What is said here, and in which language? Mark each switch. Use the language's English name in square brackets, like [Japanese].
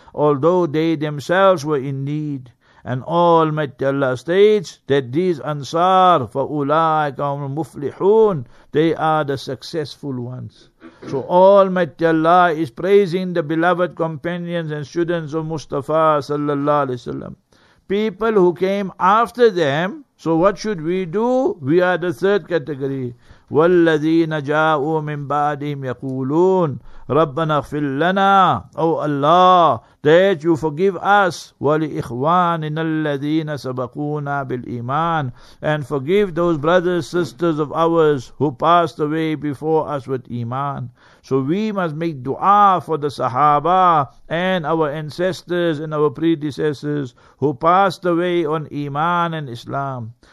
[English] Although they themselves were in need. And Almighty Allah states that these Ansar, [Arabic] فَأُولَٰئِكَ هُمُ الْمُفْلِحُونَ. [English] They are the successful ones. So Almighty Allah is praising the beloved companions and students of Mustafa sallallahu alayhi wa sallam. People who came after them, So what should we do? We are the third category. [Arabic] وَالَّذِينَ جَاءُوا مِنْ بَعْدِهِمْ يَقُولُونَ رَبَّنَا اغْفِرْ لَنَا [English] Oh Allah, that you forgive us. [Arabic] وَلِإِخْوَانِنَا الَّذِينَ سَبَقُونَا بِالْإِيمَانِ [English] And forgive those brothers, sisters of ours who passed away before us with Iman. So we must make dua for the Sahaba and our ancestors and our predecessors who passed away on Iman and Islam.